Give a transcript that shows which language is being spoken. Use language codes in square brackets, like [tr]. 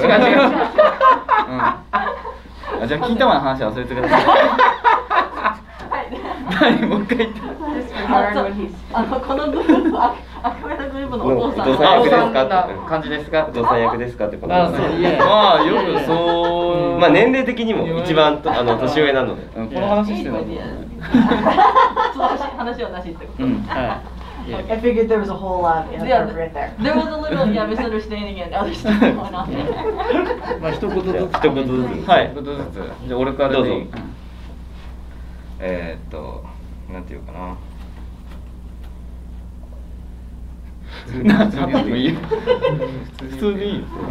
[ja] ら違う違う、うん、あじゃあ金玉の話忘れてください何もう一回言ってあのこのグループはアカメラグループのお父さんですかって感じですかお父さん役ですかってことですねまあよくそうまあ年齢的にも一番あの年上なのでこの話してるの話はなしってこと、うんはい [en] Yeah. I figured there was a whole lot inappropriate yeah, there. There was a little misunderstanding and other stuff going on there. [ja] まあ一言ずつ一言ずつ一言ずつじゃあ俺からどうぞ。なんていうかな。普通でいい。普通でいい。